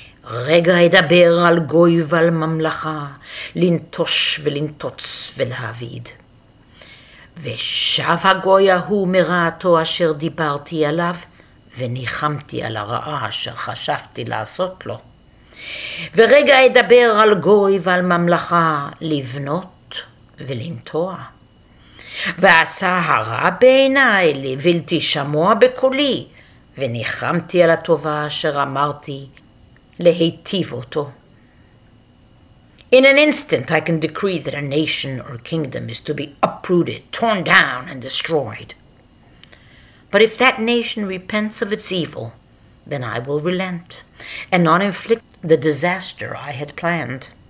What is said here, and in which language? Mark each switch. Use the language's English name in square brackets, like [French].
[Hebrew] Rega edaber al goy val mamlacha, lintosh velintots velhavid. Veshav ha-goy ahu mera'ato asher dibarti alav, וניחמתי על הרעה אשר חשבתי לעשות לו. ורגע אדבר על גוי ועל ממלכה לבנות ולנטוע. ועשה הרע בעיניי לבלתי שמוע בקולי, וניחמתי על הטובה אשר אמרתי להיטיב אותו. [English] In an instant I can decree that a nation or kingdom is to be uprooted, torn down and destroyed. But if that nation repents of its evil, then I will relent and not inflict the disaster I had planned.